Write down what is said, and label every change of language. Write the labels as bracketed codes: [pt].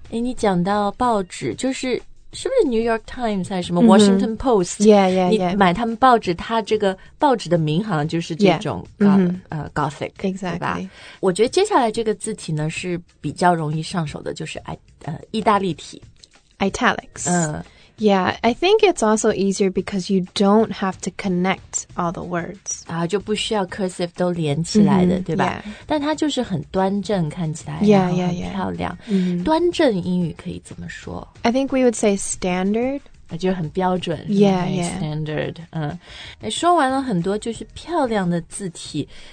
[zh] 诶你讲到报纸就是是不是 New York Times 还是什么 Washington Post?、 [en] Mm-hmm. Yeah, yeah, yeah. [zh] 你买他们报纸它这个报纸的名好像就是这种 Gothic, [en] exactly. [zh] 对吧我觉得接下来这个字体呢是比较容易上手的就是、意大利体。 [en] Italics.、Yeah, I think it's also easier because you don't have to connect all the words. [zh] 啊就不需要 cursive 都连起来的、对吧、 [en] yeah. [zh] 但它就是很端正看起来 [en] yeah, [zh] 然后很漂亮。 [en] Yeah, yeah. [zh] 端正英语可以怎么说 [en] I think we would say standard. [zh] 就很标准。 [en] Yeah, yeah. Standard. [zh] 说完了很多就是漂亮的字体。